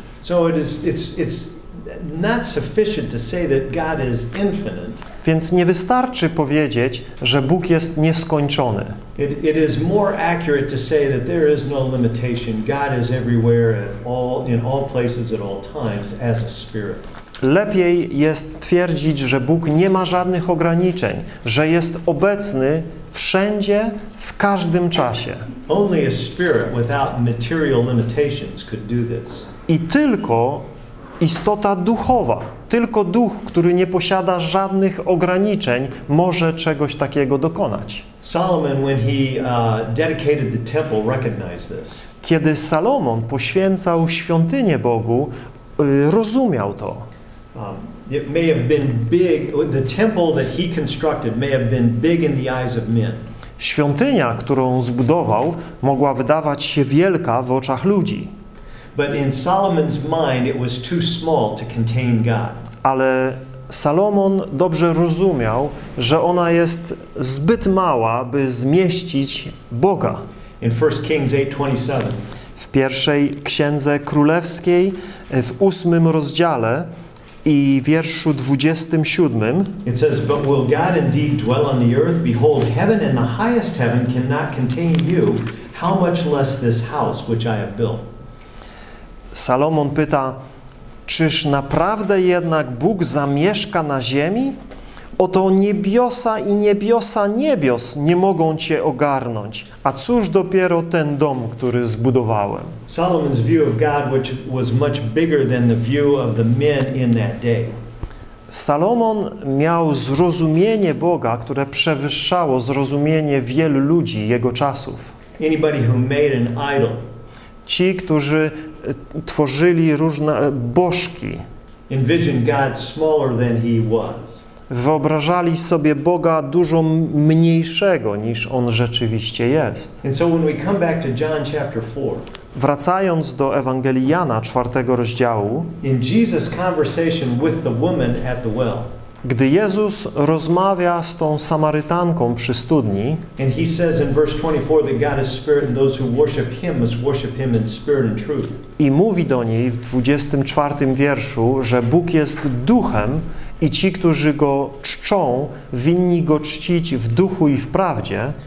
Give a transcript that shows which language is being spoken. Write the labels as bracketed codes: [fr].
[en] So it's not sufficient to say that God is infinite. [pl] Więc nie wystarczy powiedzieć, że Bóg jest nieskończony. [en] It is more accurate to say that there is no limitation. God is everywhere in all places at all times as a spirit. [pl] Lepiej jest twierdzić, że Bóg nie ma żadnych ograniczeń, że jest obecny wszędzie, w każdym czasie. [en] Only a spirit without material limitations could do this. [pl] I tylko istota duchowa, tylko duch, który nie posiada żadnych ograniczeń, może czegoś takiego dokonać. [en] Solomon, when he dedicated the temple, recognized this. [pl] Kiedy Salomon poświęcał świątynię Bogu, rozumiał to. [en] It may have been big, the temple that he constructed may have been big in the eyes of men. [pl] Świątynia, którą zbudował, mogła wydawać się wielka w oczach ludzi. [en] But in Solomon's mind it was too small to contain God. [pl] Ale Salomon dobrze rozumiał, że ona jest zbyt mała, by zmieścić Boga. [en] In 1 Kings 8:27. [pl] W pierwszej Księdze Królewskiej w 8 rozdziale i wierszu 27. [en] It says, but will God indeed dwell on the earth? Behold, heaven and the highest heaven cannot contain you. How much less this house which I have built? [pl] Salomon pyta, czyż naprawdę jednak Bóg zamieszka na ziemi? Oto niebiosa i niebiosa niebios nie mogą cię ogarnąć. A cóż dopiero ten dom, który zbudowałem? [en] Solomon's view of God, which was much bigger than the view of the men in that day. [pl] Salomon miał zrozumienie Boga, które przewyższało zrozumienie wielu ludzi jego czasów. [en] Anybody who made an idol. [pl] ci, którzy tworzyli różne bożki, [en] envisioned God smaller than he was. [pl] Wyobrażali sobie Boga dużo mniejszego niż on rzeczywiście jest. [en] And so when we come back to John chapter 4, [pl] wracając do Ewangelii Jana, 4 rozdziału, [en] in Jesus' conversation with the woman at the well, [pl] gdy Jezus rozmawia z tą Samarytanką przy studni, [en] and he says in verse 24 that God is spirit and those who worship him must worship him in spirit and truth. [pl] I mówi do niej w 24 wierszu, że Bóg jest duchem i ci, którzy go czczą, winni go czcić w duchu i w prawdzie.